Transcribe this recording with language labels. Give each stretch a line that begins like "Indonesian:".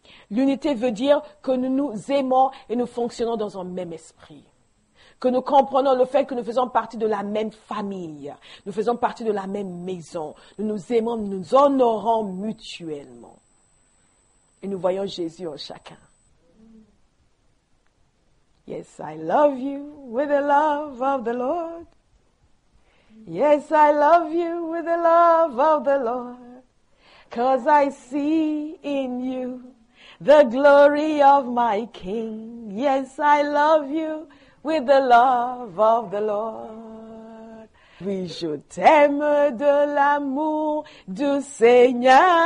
French: L'unité veut dire que nous nous aimons et nous fonctionnons dans un même esprit. Que nous comprenons le fait que nous faisons partie de la même famille. Nous faisons partie de la même maison. Nous nous aimons, nous nous honorons mutuellement. Et nous voyons Jésus en chacun.
English: Yes, I love you with the love of the Lord. Yes, I love you with the love of the Lord. Cause I see in you the glory of my King. Yes, I love you with the love of the Lord.
French: Oui, je t'aime de l'amour du Seigneur.